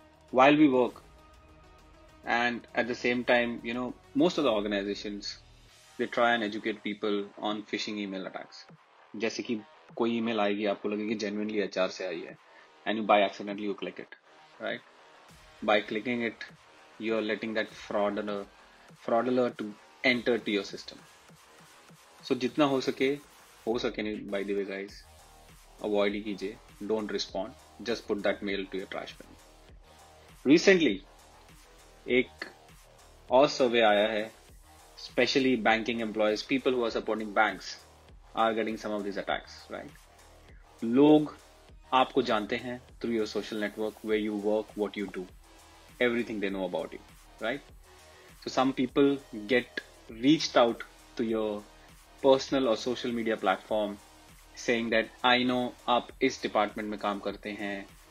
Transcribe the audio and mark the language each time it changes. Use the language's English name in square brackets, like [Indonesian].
[English] While we work, and at the same time, you know, most of the organizations, they try and educate people on phishing email attacks. [Hindi] जैसे कि कोई email आएगी आपको लगेगी genuinely HR से आई है [English] and you by accidentally you click it right by clicking it you are letting that fraud alert to enter to your system [Hindi] so जितना हो सके नहीं [English] by the way guys avoid कीजिए don't respond just put that mail to your trash bin recently [Hindi] एक और सर्वे आया है specially banking employees [English] People who are supporting banks are getting some of these attacks, right? [Hindi] Log aapko jante hain [English] through your social network, where you work, what you do, everything they know about you, right? So some people get reached out to your personal or social media platform saying that I know [Hindi] aap is department mein kaam karte hain.